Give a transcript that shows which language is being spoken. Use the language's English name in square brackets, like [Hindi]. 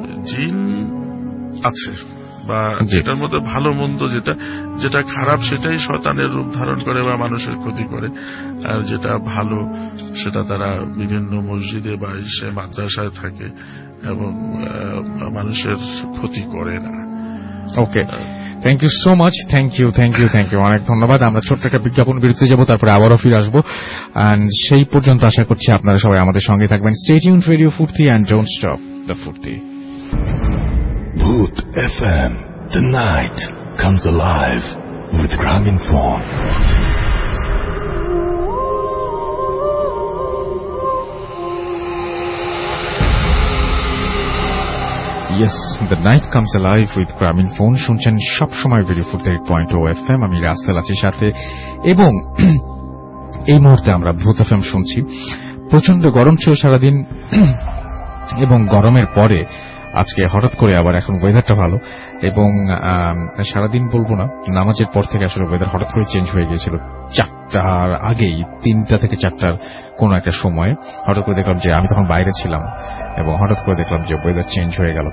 [Bangla] জিন আছে, বা যেটার মধ্যে ভালো মন্দ, যেটা যেটা খারাপ সেটাই শয়তানের রূপ ধারণ করে বা মানুষের ক্ষতি করে, আর যেটা ভালো সেটা তারা বিভিন্ন মসজিদে বা এসে মাদ্রাসায় থাকে এবং মানুষের ক্ষতি করে না। [English] okay, thank you so much, thank you, thank you, thank you, [Bangla] অনেক ধন্যবাদ। আমরা ছোট্ট একটা বিজ্ঞাপন বিরতি যাব, তারপরে আবারও ফিরে আসব, অ্যান্ড সেই পর্যন্ত আশা করছি আপনারা সবাই আমাদের সঙ্গে থাকবেন। [English] Stay tuned radio Foorti, and don't stop the Foorti. Bhoot FM, the night comes alive with Grameenphone. Yes, the night comes alive with Grameenphone. [Bangla] শুনছেন সবসময় রেডিও ফুর্তি 8.0 FM, আমি রাসেল আছি সাথে, এবং এই মুহূর্তে আমরা ভূত FM শুনছি। প্রচন্ড গরম ছিল সারাদিন, এবং গরমের পরে আজকে হঠাৎ করে আবার এখন ওয়েদারটা ভালো, এবং সারাদিন বলবো না, নামাজের পর থেকে আসলে ওয়েদার হঠাৎ করে চেঞ্জ হয়ে গিয়েছিল, 4টার আগেই, 3টা থেকে 4টার কোন একটা সময়ে হঠাৎ করে দেখলাম যে, আমি তখন বাইরে ছিলাম এবং হঠাৎ করে দেখলাম যে ওয়েদার চেঞ্জ হয়ে গেল।